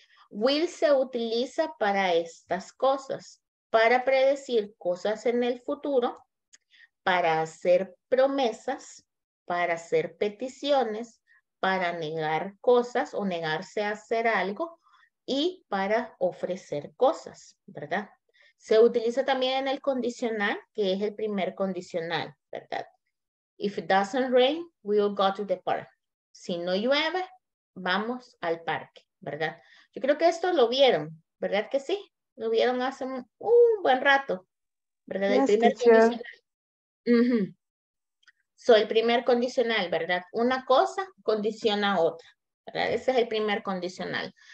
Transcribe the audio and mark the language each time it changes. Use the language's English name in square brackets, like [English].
[Spanish] Will se utiliza para estas cosas, para predecir cosas en el futuro, para hacer promesas, para hacer peticiones, para negar cosas o negarse a hacer algo, y para ofrecer cosas, ¿verdad? Se utiliza también en el condicional, que es el primer condicional, ¿verdad? [English] If it doesn't rain, we'll go to the park. [Spanish] Si no llueve, vamos al parque, ¿verdad? Yo creo que esto lo vieron, ¿verdad que sí? Lo vieron hace un buen rato, ¿verdad? El primer condicional. So, el primer condicional, ¿verdad? Una cosa condiciona a otra, ¿verdad? Ese es el primer condicional.